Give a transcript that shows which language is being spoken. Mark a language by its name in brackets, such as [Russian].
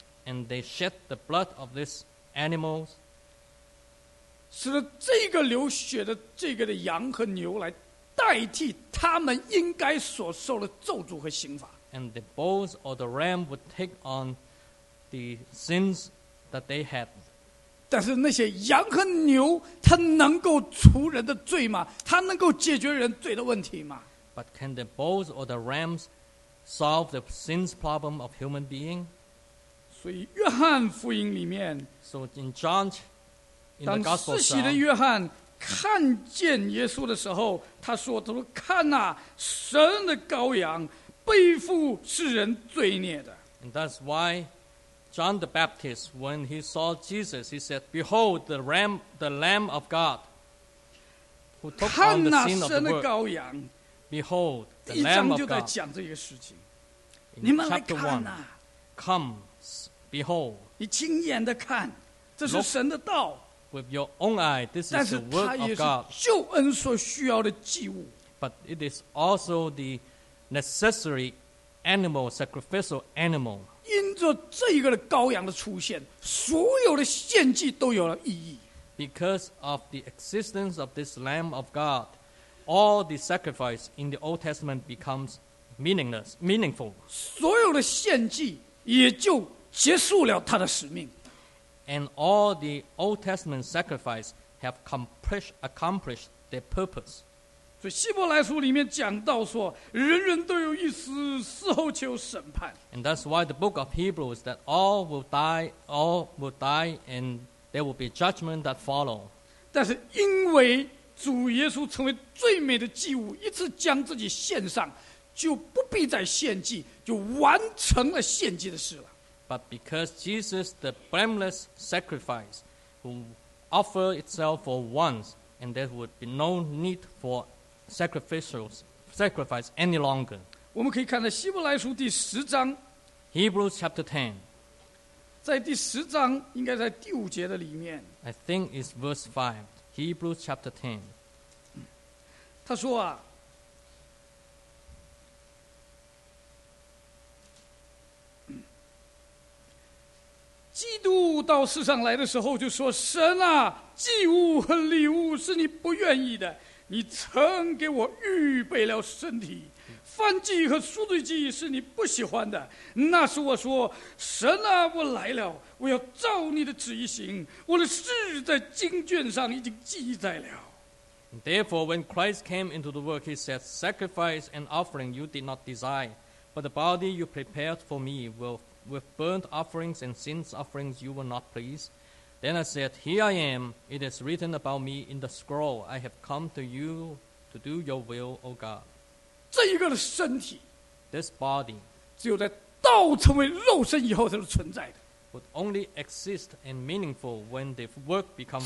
[English] and they shed the blood of these animals, [Chinese] 使得这个流血的这个的羊和牛来代替他们应该所受的咒诅和刑罚, [English] and the bulls or the ram would take on the sins that they had. [Chinese] 但是那些羊和牛, 它能够除人的罪吗? 它能够解决人罪的问题吗? [English] But can the bulls or the rams solve the sins problem of human being? [Chinese] 所以约翰福音里面, [English] so in John, in the Gospel, [Chinese] 当施洗的约翰看见耶稣的时候, 他说, 看啊, 神的羔羊, 背负世人罪孽的, [English] and that's why John the Baptist, when he saw Jesus, he said, behold the ram, the Lamb of God, who took on the sin of the world. Behold the Lamb of God. In chapter 1, come, behold, [Chinese] 你亲眼地看, 这是神的道, [English] look with your own eye, this is the word of God. [Chinese] 救恩所需要的祭物, [English] but it is also the necessary animal, sacrificial animal. [Chinese] 因着这个羔羊的出现, 所有的献祭都有了意义, [English] because of the existence of this Lamb of God, all the sacrifice in the Old Testament becomes meaningless, meaningful. [Chinese] 所有的献祭也就 结束了他的使命, [English] and all the Old Testament sacrifice have accomplished their purpose. [Chinese] 所以希伯来书里面讲到说，人人都有一死，死后就有审判。 [English] And that's why the book of Hebrews that all will die, and there will be judgment that follow. [Chinese] 但是因为主耶稣成为最美的祭物，一次将自己献上，就不必再献祭，就完成了献祭的事了。 [English] But because Jesus, the blameless sacrifice, who offered itself for once, and there would be no need for sacrifice any longer. [Chinese] 我们可以看到希伯来书第十章 [English] Hebrews chapter 10. [Chinese] 在第十章，应该在第五节的里面。 [English] I think it's verse 5, Hebrews chapter 10. [Chinese] 他说啊，基督到世上来的时候就说，神啊，祭物和礼物是你不愿意的，你曾给我预备了身体，燔祭和赎罪祭是你不喜欢的。那时我说，神啊，我来了，我要照你的旨意行，我的事在经卷上已经记载了。 [English] Therefore, when Christ came into the world, he said, sacrifice and offering you did not desire, but the body you prepared for me with burnt offerings and sin offerings you will not please. Then I said, here I am. It is written about me in the scroll. I have come to you to do your will, O God. [Chinese] 这一个的身体, [English] this body, [Chinese] 只有在道成为肉身以后才是存在的, [English] would only exist and meaningful when the work becomes